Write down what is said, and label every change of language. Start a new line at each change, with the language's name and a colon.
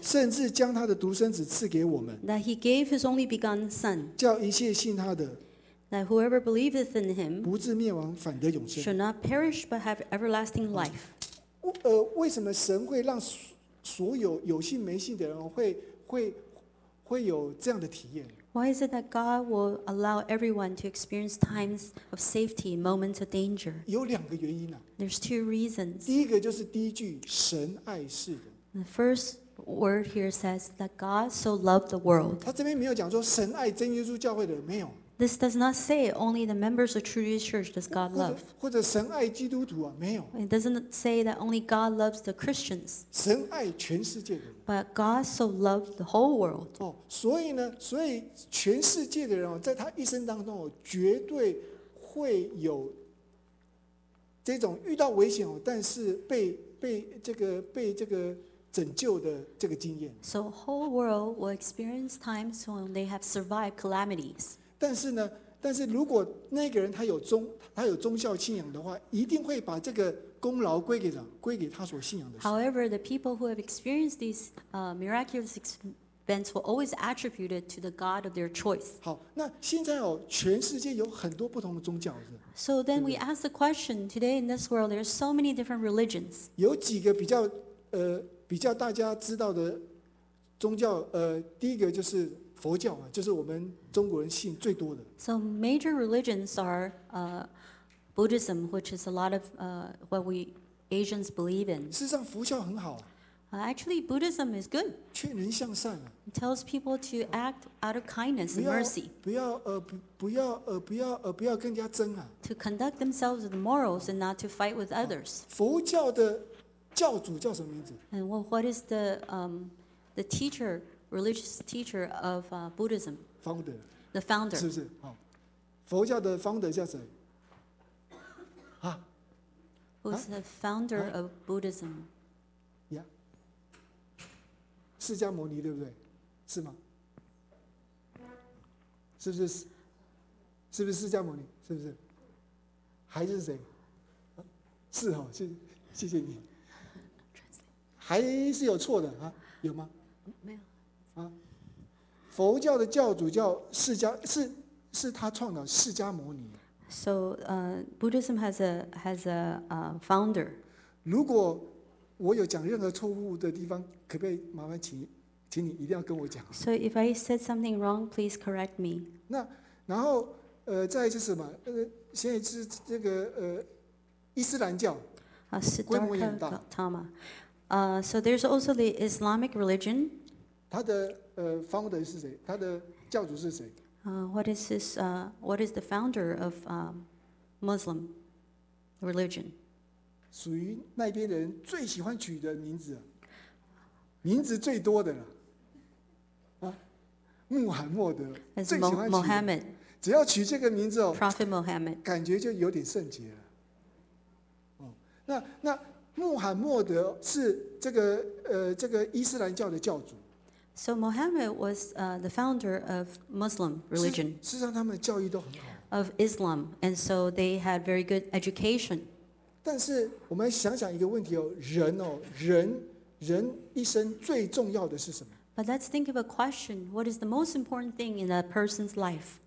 Chinese: 甚至将他的独生子赐给我们。
English: That he gave his only begotten son,
Chinese: 叫一切信他的。
English: That whoever believeth in him,
Chinese: 不至灭亡，反得永生。
English: Should not perish, but have everlasting life.
Chinese: 为什么神会让所有有信没信的人会有这样的体验？
English: Why is it that God will allow everyone to experience times of safety, moments of danger?
Chinese: 有两个原因啊。
English: There's two reasons.
Chinese: 第一个就是第一句，神爱世人。
English: The first word here says that God so loved the world.
Chinese: 他这边没有讲说神爱真耶稣教会的人，没有。
English: This does not say only the members of True Jesus Church does God love.
Chinese: 或者神爱基督徒啊，没有。
English: It doesn't say that only God loves the Christians.
Chinese: 神爱全世界的。
English: But God so loved the whole world.
Chinese: 哦，所以呢，所以全世界的人哦，在他一生当中哦，绝对会有这种遇到危险哦，但是被这个拯救的这个经验。
English: So whole world will experience times when they have survived calamities.
Chinese: 但是呢，但是如果那个人他有忠孝信仰的话，一定会把这个功劳归给他所信仰的。
English: However, the people who have experienced these miraculous events will always attribute it to the God of their choice.
Chinese: 好，那现在哦，全世界有很多不同的宗教。
English: So then we ask the question: Today in this world, there are so many different religions.
Chinese: 有几个比较大家知道的宗教，第一个就是。佛教啊，就是我们中国人信最多的。
English: So major religions are Buddhism, which is a lot of what we Asians believe in.
Chinese: 事实上，佛教很好啊。
English: Actually, Buddhism is good.
Chinese: 劝人向善啊。
English: It tells people to act out of kindness and mercy.
Chinese: 不要跟人家争啊。
English: To conduct themselves with morals and not to fight with others.
Chinese: 佛教的教主叫什么名字
English: ？And what is the teacher? Religious teacher of Buddhism, founder, the founder,
Chinese: 是不是？好，佛教的 founder 叫谁？啊
English: ？Who's the founder of Buddhism? Yeah,
Chinese: 释迦牟尼对不对？是吗？是不是？是不是释迦牟尼？是不是？还是谁？是哈，谢谢你。还是有错的啊？有吗？没有。佛教的教主叫释迦，是他创造释迦牟尼。
English: So, Buddhism has a founder.
Chinese: 如果我有讲任何错误的地方，可不可以麻烦请你一定要跟我讲。
English: So if I said something wrong, please correct me.
Chinese: 那然后再就是什么？现在是这个伊斯兰教，规模也很大。 Tama.
English: So there's also the Islamic religion.
Chinese: 他的founder 是谁？他的教主是谁？
English: What is his what is the founder of Muslim religion?
Chinese: 属于那边的人最喜欢取的名字，名字最多的了。啊，穆罕默德最喜欢取的。
English: Mohammed.
Chinese: 只要取这个名字哦
English: ，Prophet Mohammed，
Chinese: 感觉就有点圣洁了。哦，那穆罕默德是这个伊斯兰教的教主。
English: So Mohammed was the founder of Muslim religion.
Chinese: 事实上他们的教育都很好。
English: Of Islam, and so they had very good education.
Chinese: 但是我们想想一个问题哦，人哦，人，人一生最重要的是什么？
English: But let's think of a question. What is the most important thing in a person's life?